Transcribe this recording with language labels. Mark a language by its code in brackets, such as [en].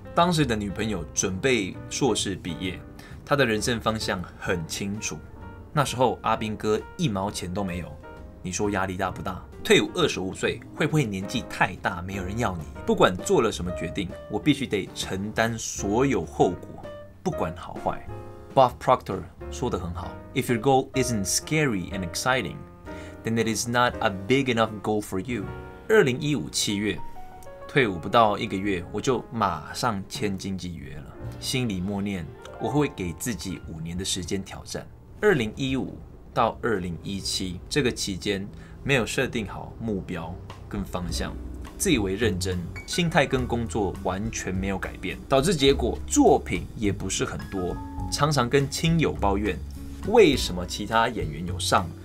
[zh] 当时的女朋友准备硕士毕业，她的人生方向很清楚。那时候阿兵哥一毛钱都没有，你说压力大不大？退伍25岁，会不会年纪太大，没有人要你？不管做了什么决定，我必须得承担所有后果，不管好坏。 [en] Bob Proctor [zh] 说得很好 [en] ，If your goal isn't scary and exciting, then it is not a big enough goal for you。 [zh] 2015年7月，退伍不到一个月，我就马上签经纪约了，心里默念，我会给自己5年的时间挑战。 2015到2017这个期间，没有设定好目标跟方向，自以为认真，心态跟工作完全没有改变，导致结果作品也不是很多，常常跟亲友抱怨，为什么其他演员有上，